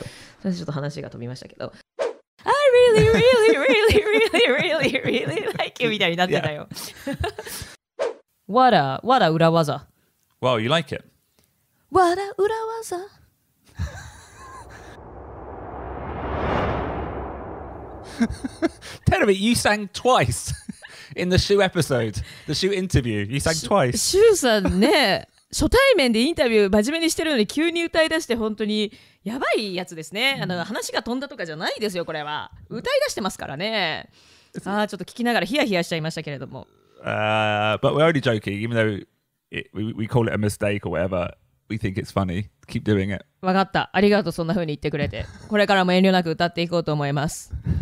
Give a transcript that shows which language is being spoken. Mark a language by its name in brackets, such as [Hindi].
[Japanese] ちょっと話が飛びましたけど。 [English] I really, really, really, really, really, really like you! [Japanese] みたいになってたよ。 [English] Yeah. What a 裏技。 Wow, you like it. What a 裏技。 Tell me, you sang twice! In the shoe episode, the shoe interview, you sang twice. [Japanese] Shoe さんね、初対面でインタビュー真面目にしてるのに急に歌い出して本当にやばいやつですね。あの話が飛んだとかじゃないですよ、これは。歌い出してますからね。ああ、ちょっと聞きながらヒヤヒヤしちゃいましたけれども。 [English] But we're only joking, even though we call it a mistake or whatever, we think it's funny. Keep doing it. [Japanese] わかった。ありがとう、そんな風に言ってくれて。これからも遠慮なく歌っていこうと思います。